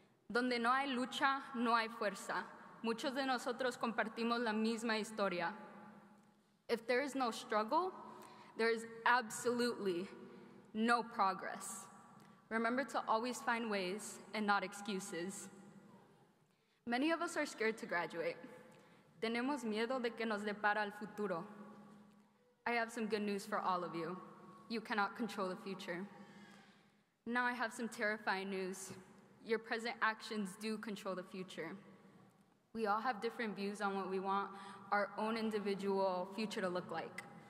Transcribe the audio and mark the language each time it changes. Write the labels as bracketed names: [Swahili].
[Spanish] Donde no hay lucha, no hay fuerza. Muchos de nosotros compartimos la misma historia. [English] If there is no struggle, there is absolutely no progress. Remember to always find ways and not excuses. Many of us are scared to graduate. [Spanish] Tenemos miedo de que nos depara el futuro. [English] I have some good news for all of you. You cannot control the future. Now I have some terrifying news. Your present actions do control the future. We all have different views on what we want our own individual future to look like.